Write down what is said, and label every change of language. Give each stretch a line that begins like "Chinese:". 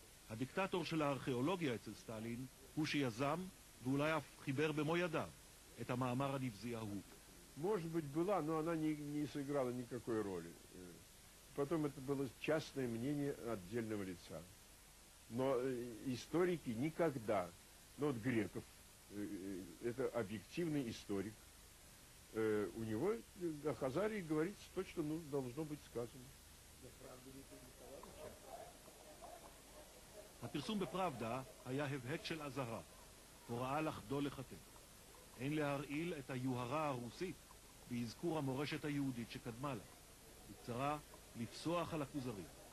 Hebrew: הדיקטטור של הארכיאולוגיה אצל סטלין הוא שיזם ואולי אף חיבר במו ידיו את המאמר הנבזי ההוא.
Russian: Может быть, была, но она не сыграла никакой роли. Потом это было частное мнение отдельного лица. Но историки никогда, ну вот Греков, это объективный историк, у него о Хазарии говорится то, что должно быть сказано.
Hebrew: הפרסום בפראבדה היה הבהק של עזרה, הוראה לחדול לחתן. אין להרעיל את היוהרה הרוסית באזכור המורשת היהודית שקדמה לה. בקצרה, לפסוח על הכוזרים.